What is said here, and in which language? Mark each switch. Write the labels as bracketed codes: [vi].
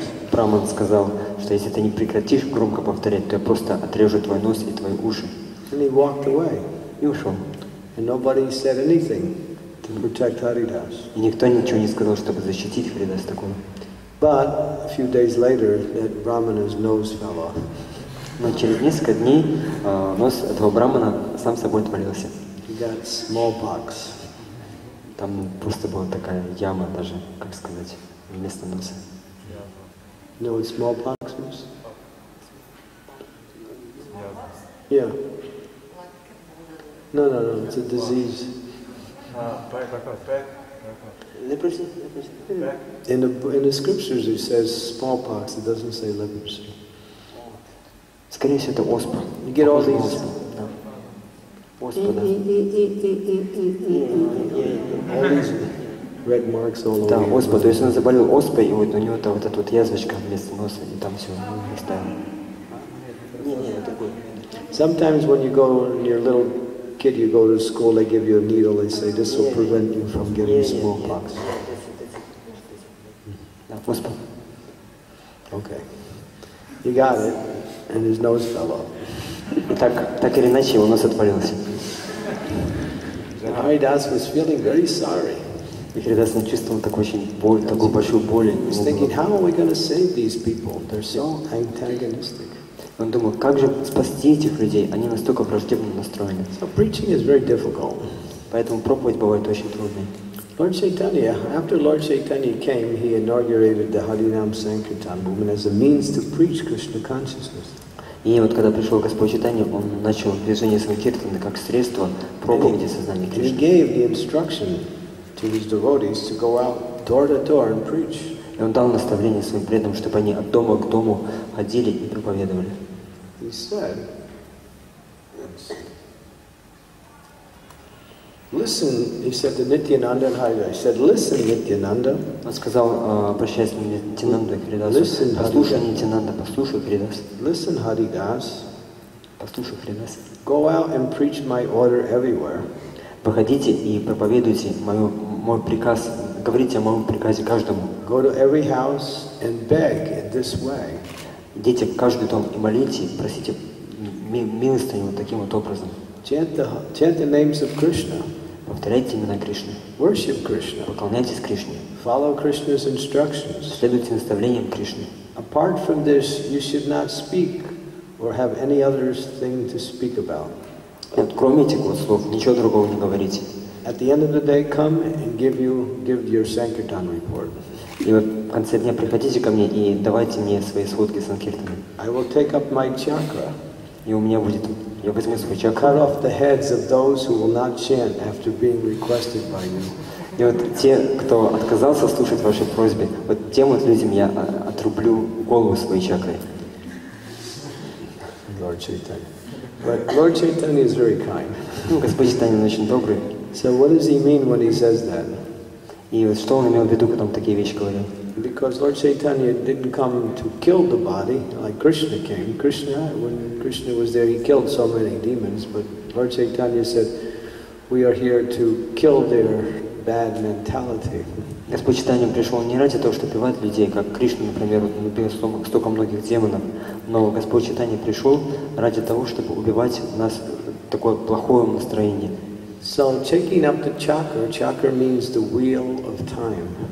[ru] Brahman сказал, что если ты не прекратишь громко повторять, то я просто отрежу твой нос и твои уши. [en] And he walked away. [ru] И ушел. [en] And nobody said anything to protect Haridas. [ru] И никто ничего не сказал, чтобы защитить Haridas такого. [en] But a few days later, that Brahmana's nose fell off. [ru] Но через несколько дней нос этого брахмана сам собой отвалился. [en] He got smallpox. [ru] Там просто была такая яма даже, как сказать, вместо носа. [en] You know what smallpox is? Yeah. Yeah. No, it's a disease. Leprosy? In the scriptures it says smallpox, it doesn't say leprosy. [ru] Скорее всего, это оспа. [en] You get all these... All these red marks all over. [ru] Да, оспа. То есть он заболел оспой, и вот у него вот эта вот язвочка вместо носа, и там все, ну, не ставим. [en] Sometimes when you go near little... kid, you go to school, they give you a needle, they say this will prevent you from getting smallpox. Okay. You got it. And his nose fell off. [ru] Так или иначе, его нос отвалился. [en] Haridas was feeling very sorry. [ru] И Haridas чувствовал такую очень боль, такую большую боль. [en] He's thinking, how are we going to save these people? They're so antagonistic. [ru] Он думал, как же спасти этих людей? Они настолько враждебно настроены. [en] So preaching is very difficult. [ru] Поэтому проповедь бывает очень трудной. [en] Lord Chaitanya, after Lord Chaitanya came, he inaugurated the Harinam Sankirtan movement as a means to preach Krishna consciousness. [ru] И вот когда пришел Господь Чайтанья, он начал движение Санкиртаны как средство проповеди сознания Кришны. [en] He gave the instruction to his devotees to go out door to door and preach. [ru] И он дал наставление своим преданным, чтобы они от дома к дому ходили и проповедовали. [en] He said, listen, he said to Nityananda and Haridas. He said, listen, Nityananda. [ru] Он сказал, обращаясь к Нитянанду и Харидасу, послушай, Нитянанда, послушай, Харидас. [en] Listen, Haridas. [ru] Послушай, Харидас. [en] Go out and preach my order everywhere. [ru] Походите и проповедуйте мой приказ. Говорите о моем приказе каждому. [en] Go to every house and beg in this way. [ru] Идите в каждый дом и молите, просите милостыню таким вот образом. [en] Chant the names of Krishna. [ru] Повторяйте имена Кришны. [en] Worship Krishna. [ru] Поклоняйтесь Кришне. [en] Follow Krishna's instructions. [ru] Следуйте наставлениям Кришны. [en] Apart from this, you should not speak or have any other thing to speak about. [ru] Нет, кроме этих вот слов, ничего другого не говорите. [en] At the end of the day, come and give your Sankirtan report. [ru] И вот в конце дня приходите ко мне и давайте мне свои сводки санкиртаны. [en] I will take up my chakra. [ru] И у меня будет, я возьму свой чакру. [en] Cut off the heads of those who will not chant after being requested by you. [ru] И вот те, кто отказался слушать ваши просьбы, вот тем вот людям я отрублю голову своей чакрой. [en] Lord Chaitanya. But Lord Chaitanya is very kind. [ru] Ну, Господь Чайтанья очень добрый. [en] So what does he mean when he says that? [ru] И вот что он имел в виду, когда он такие вещи говорил? [en] Because Lord Chaitanya didn't come to kill the body like Krishna came. Krishna, when Krishna was there, he killed so many demons. But Lord Chaitanya said, we are here to kill their bad mentality. [ru] Господь Чайтанья пришел не ради того, чтобы убивать людей, как Кришна, например, убил столько многих демонов. Но Господь Чайтанья пришел ради того, чтобы убивать у нас такое плохое настроение. [en] So taking up the chakra, chakra means the wheel of time.